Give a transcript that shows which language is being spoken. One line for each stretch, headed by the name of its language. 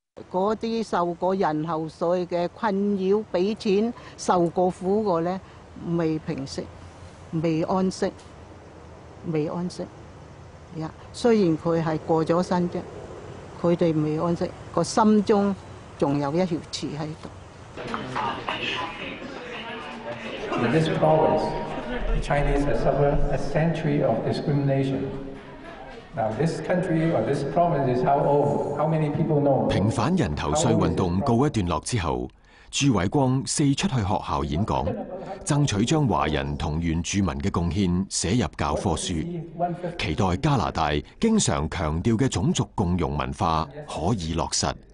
Cantonese: 嗰啲受過人後歲嘅困擾，俾錢受過苦過咧，未平息，未安息，未安息。呀，雖然佢係過咗身啫，佢哋未安息，個心中。仲有一條刺喺度。
English: In this province, the Chinese have suffered a century of discrimination. Now, this country or this province is how old? How many people know?
Cantonese: 平反人頭税運動告一段落之後，朱偉光四出去學校演講，爭取將華人同原住民嘅貢獻寫入教科書，期待加拿大經常強調嘅種族共融文化可以落實。